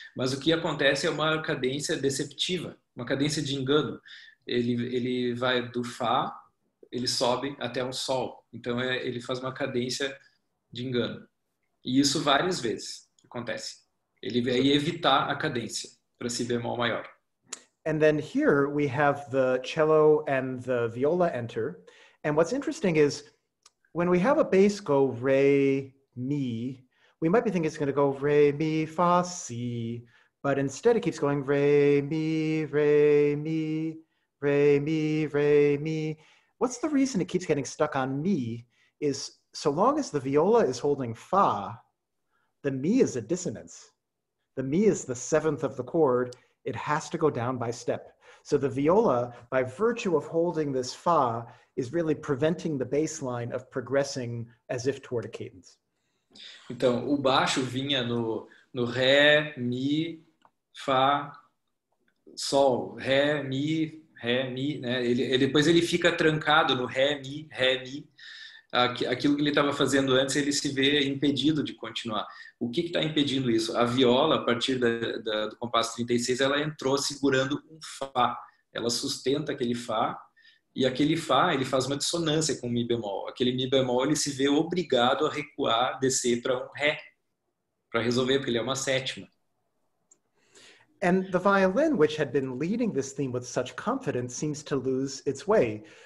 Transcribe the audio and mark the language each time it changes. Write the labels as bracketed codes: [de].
[pt] Mas o que acontece é uma cadência deceptiva, uma cadência de engano. Ele vai do Fá, ele sobe até um Sol. Então, ele faz uma cadência de engano. E isso várias vezes acontece. Ele vai evitar a cadência para si bemol maior. [en] And then here we have the cello and the viola enter. And what's interesting is when we have a bass go re, mi, we might be thinking it's going to go re, mi, fa, si. But instead it keeps going re, mi, re, mi, re, mi, re, mi. What's the reason it keeps getting stuck on mi is so long as the viola is holding fa, the mi is a dissonance. The mi is the seventh of the chord. It has to go down by step. So the viola, by virtue of holding this fa, is really preventing the bass line of progressing as if toward a cadence. [pt] Então, o baixo vinha no ré, mi, fa, sol. Ré, mi, né? Depois ele fica trancado no ré, mi. Aquilo que ele estava fazendo antes, ele se vê impedido de continuar. O que está impedindo isso? A viola, a partir do compasso 36, ela entrou segurando um Fá. Ela sustenta aquele Fá, e aquele Fá, ele faz uma dissonância com o Mi bemol. Aquele Mi bemol, ele se vê obrigado a recuar, descer para um Ré, para resolver, porque ele é uma sétima. [en] And the violin, which had been leading this theme with such confidence, seems to lose its way.